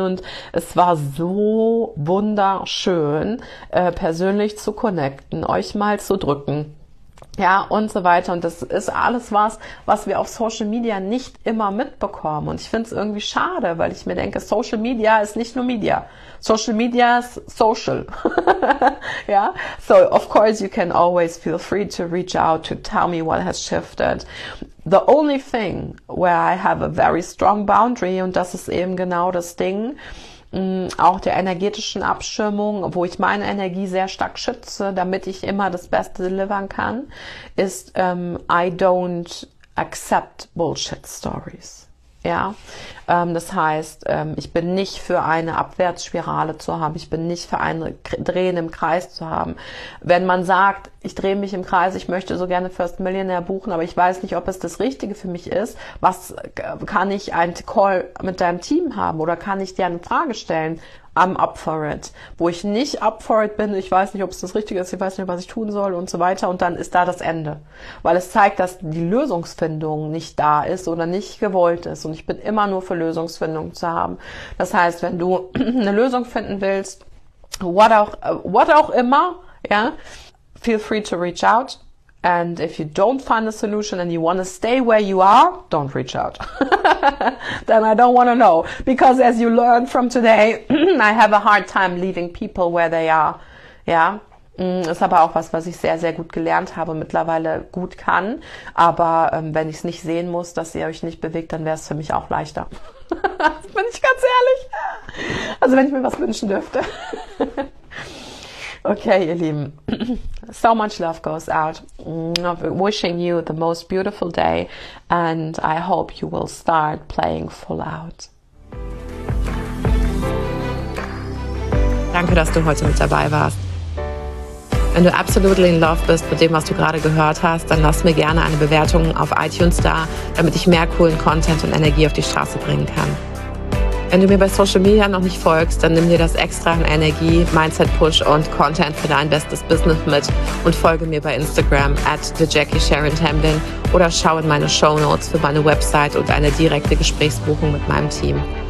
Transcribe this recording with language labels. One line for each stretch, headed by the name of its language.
German: Und es war so wunderschön, persönlich zu connecten, euch mal zu drücken. Ja, und so weiter. Und das ist alles was wir auf Social Media nicht immer mitbekommen. Und ich finde es irgendwie schade, weil ich mir denke, Social Media ist nicht nur Media. Social Media ist Social.
English: Ja, so of course you can always feel free to reach out to tell me what has shifted. The only thing where I have a very strong boundary,
German: und das ist eben genau das Ding, auch der energetischen Abschirmung, wo ich meine Energie sehr stark schütze, damit ich immer das Beste delivern kann, ist
English: I don't accept bullshit stories.
German: Ja, das heißt, ich bin nicht für eine Abwärtsspirale zu haben, ich bin nicht für ein Drehen im Kreis zu haben. Wenn man sagt, ich drehe mich im Kreis, ich möchte so gerne First Millionaire buchen, aber ich weiß nicht, ob es das Richtige für mich ist, was kann ich ein Call mit deinem Team haben oder kann ich dir eine Frage stellen?
English: I'm up for it.
German: Wo ich nicht up for it bin, ich weiß nicht, ob es das Richtige ist, ich weiß nicht, was ich tun soll und so weiter. Und dann ist da das Ende. Weil es zeigt, dass die Lösungsfindung nicht da ist oder nicht gewollt ist. Und ich bin immer nur für Lösungsfindung zu haben. Das heißt, wenn du eine Lösung finden willst, what auch immer,
English: yeah, feel free to reach out. And if you don't find a solution and you want to stay where you are, don't reach out. Then I don't want to know. Because as you learn from today, I have a hard time leaving people where they are.
German: Ja, ist aber auch was ich sehr, sehr gut gelernt habe, mittlerweile gut kann. Aber wenn ich es nicht sehen muss, dass ihr euch nicht bewegt, dann wäre es für mich auch leichter. Bin ich ganz ehrlich. Also wenn ich mir was wünschen dürfte. Okay, ihr Lieben,
English: so much love goes out. I'm wishing you the most beautiful day and I hope you will start playing full out.
German: Danke, dass du heute mit dabei warst. Wenn du absolut in love bist mit dem, was du gerade gehört hast, dann lass mir gerne eine Bewertung auf iTunes da, damit ich mehr coolen Content und Energie auf die Straße bringen kann. Wenn du mir bei Social Media noch nicht folgst, dann nimm dir das extra an Energie, Mindset-Push und Content für dein bestes Business mit und folge mir bei Instagram @thejackiesharontemlin oder schau in meine Shownotes für meine Website und eine direkte Gesprächsbuchung mit meinem Team.